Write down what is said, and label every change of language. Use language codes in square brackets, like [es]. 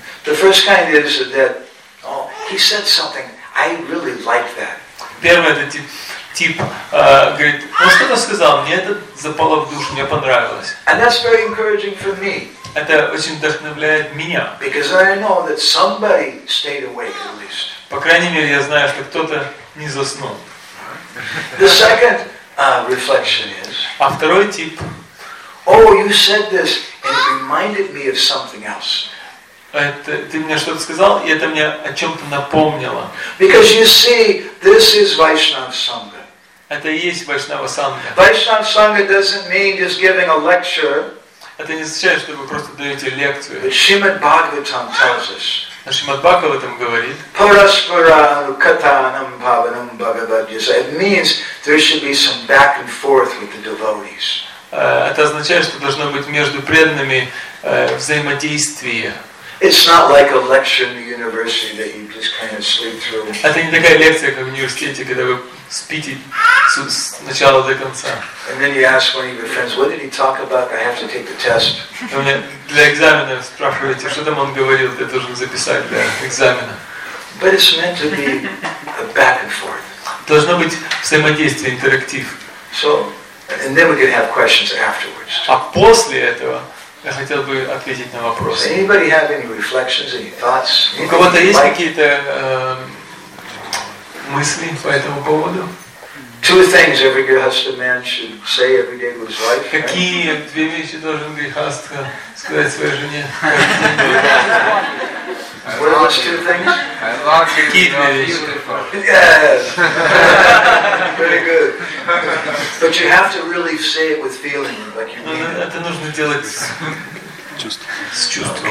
[en] The first kind is that, oh, he said something, I really like that. [ru] Первый это тип говорит, ну что-то сказал, мне это запало в душу, мне понравилось. [en] And that's very encouraging for me. [ru] Это очень вдохновляет меня. [en] Because I know that somebody stayed awake at least. [ru] По крайней мере, я знаю, что кто-то не заснул. [en] The second reflection is. [ru] А второй тип. [en] Oh, you said this and it reminded me of something else. [ru] Это ты мне что-то сказал, и это мне о чем-то напомнило. [en] Because you see, this is Vaishnava Sangha. [ru] Это и есть Vaishnava Sangha. [en] Vaishnava Sangha doesn't mean just giving a lecture. [ru] Это не означает, что вы просто даете лекцию. [en] Шримад Бхагаватам tells us. [ru] А Шримад Бхагаватам говорит. [sa] Параспара катанам бхаванам бхагаваджаса. [en] It means there should be some back and forth with the devotees. [ru] Это означает, что должно быть между преданными взаимодействие. [en] It's not like a lecture in the university that you just kind of sleep through. [ru] Это не такая лекция, как в университете, когда вы спите с начала до конца. [en] And then you ask one of your friends, what did he talk about? I have to take the test. [ru] У меня для экзамена спрашиваете, что там он говорил, я должен записать для экзамена. [en] But it's meant to be a back and forth. [ru] Должно быть взаимодействие, интерактив. [en] So, and then we can have questions afterwards. [ru] А после этого я хотел бы ответить на вопросы. [en] Anybody have any reflections, any thoughts? [ru] У кого-то есть какие-то мысли по этому поводу? [en] Two things every grihastha man should say every day to his wife. [ru] Какие две вещи должен грихастха сказать своей жене? [en] What are those two things? I love you. [ru] Какие две вещи? [en] Yes. Very good. But you have to really say it with feeling, like you mean. [ru] Это нужно делать с чувством.